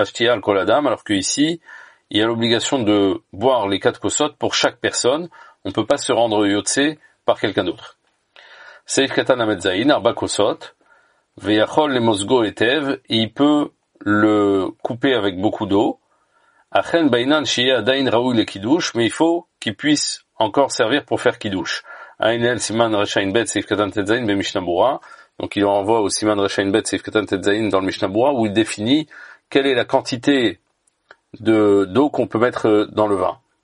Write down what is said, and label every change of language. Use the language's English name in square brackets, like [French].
[French] Alors qu'ici, il y a l'obligation de boire les quatre kosot pour chaque personne, on ne peut pas se rendre yotse par quelqu'un d'autre. [Hebrew] סעיף קטן למדזיין, ארבע כוסות, ויכול למוזגו היטב, [French] il peut le couper avec beaucoup d'eau. [Hebrew] אכן בעינן שיהיה עדיין ראוי לקידוש, [French] mais il faut qu'il puisse encore servir pour faire kidouche. [Hebrew] Aynel siman rechain bet seif katan tetzain be mishnabura. [French] Donc il renvoie au siman rechain bet seif katan tetzain dans le mishnabura où il définit quelle est la quantité d'eau qu'on peut mettre dans le vin.